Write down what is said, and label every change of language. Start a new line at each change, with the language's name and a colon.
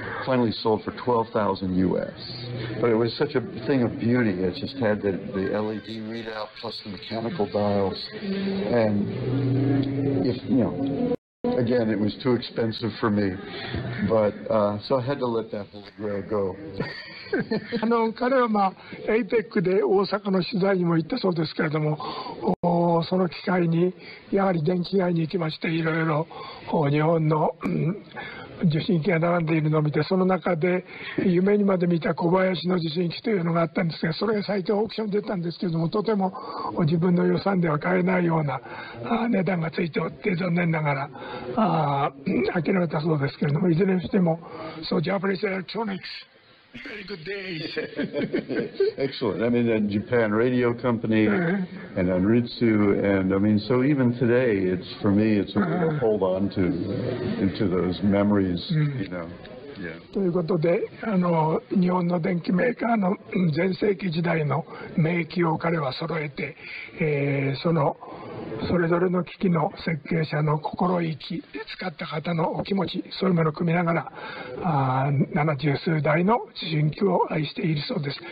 English: Finally sold for 12,000 US. But it was such a thing of beauty. It just had the LED readout plus the mechanical dials. And if, you know, again, it was too expensive for me. But so I had to let that whole grail go.
Japanese: あの彼は、まあ、APEC で大阪の取材にも行ったそうですけれども、その機会にやはり電気街に行きまして、いろいろ日本の、受信機が並んでいるのを見て、その中で夢にまで見た小林の受信機というのがあったんですが、それが最近オークションに出たんですけれども、とても自分の予算では買えないような値段がついておって、残念ながら諦めたそうですけれども、いずれにしてもそう、ジャパニーズエレクトロニクス、
English: very good day. Excellent. I mean, the Japan Radio Company and Anritsu, and I mean, so even today, it's for me, it's a way to hold on to into those memories, you know. Yeah.
Japanese: ということで、あの日本の電機メーカーの全盛期時代の名機を彼は揃えて、そのそれぞれの機器の設計者の心意気、使った方のお気持ち、そういうものを組みながら、70数台の受信機を愛しているそうです。